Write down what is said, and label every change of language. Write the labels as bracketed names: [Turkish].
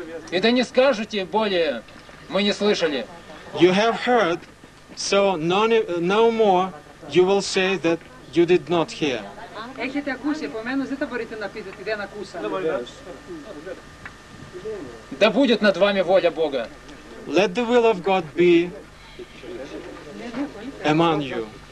[Russian] И да не скажете более, мы не слышали. [English] You have heard, so no more you will say that you did not hear. [Greek] Έχετε ακούσει, επομένως δεν θα μπορείτε να πείτε ότι δεν ακούσατε. [Russian] Да будет над вами воля Бога. [English] Let the will of God be among you.